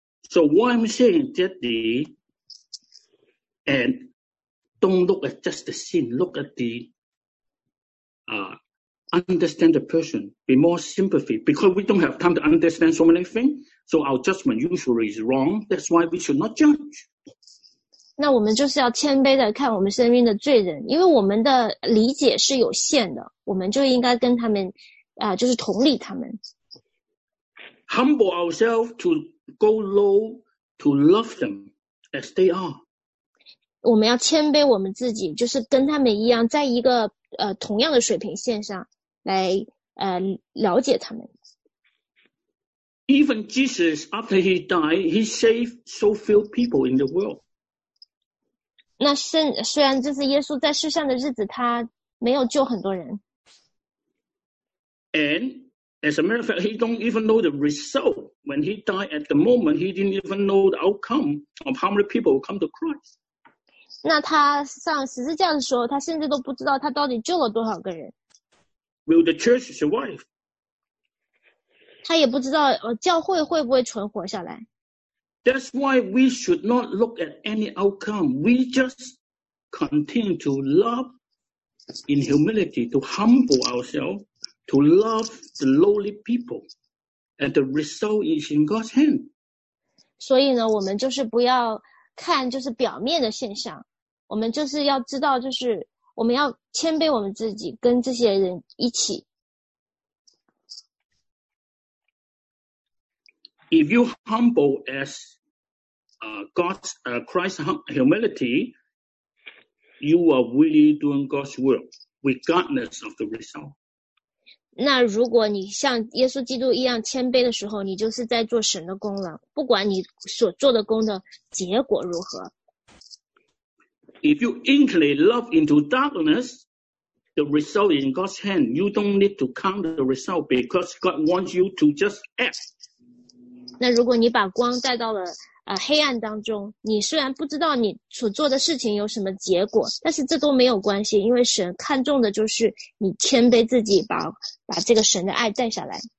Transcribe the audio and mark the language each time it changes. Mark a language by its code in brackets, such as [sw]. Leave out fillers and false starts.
[en] So what I'm saying, Daddy, and don't look at just the sin, look at the understand the person, be more sympathy, because we don't have time to understand so many things, so our judgment usually is wrong. That's why we should not judge. [zh] 那我们就是要谦卑的看我们身边的罪人，因为我们的理解是有限的，我们就应该跟他们就是同理他们。 [en] Humble ourselves to go low to love them as they are. [zh] 我们要谦卑我们自己，就是跟他们一样，在一个同样的水平线上来了解他们。 [en] Even Jesus, after he died, he saved so few people in the world. [zh] 那虽然就是耶稣在世上的日子，他没有救很多人。 [en] And as a matter of fact, he don't even know the result. When he died at the moment, he didn't even know the outcome of how many people come to Christ. [zh] 那他上十字架的时候，他甚至都不知道他到底救了多少个人。 [en] Will the church survive? [zh] 他也不知道教会会不会存活下来。 [en] That's why we should not look at any outcome. We just continue to love in humility, to humble ourselves. To love the lowly people, and the result is in God's hand. [zh] 所以呢，我们就是不要看就是表面的现象，我们就是要知道，就是我们要谦卑我们自己，跟这些人一起。 [en] If you humble as God's Christ's humility, you are really doing God's work, regardless of the result. [zh] 那如果你像耶稣基督一样谦卑的时候，你就是在做神的工了，不管你所做的工的结果如何。 [en] If you inwardly love into darkness, the result is in God's hand. You don't need to count the result because God wants you to just act. [zh] 那如果你把光带到了黑暗当中，你虽然不知道你所做的事情有什么结果，但是这都没有关系，因为神看重的就是你谦卑自己把这个神的爱带下来。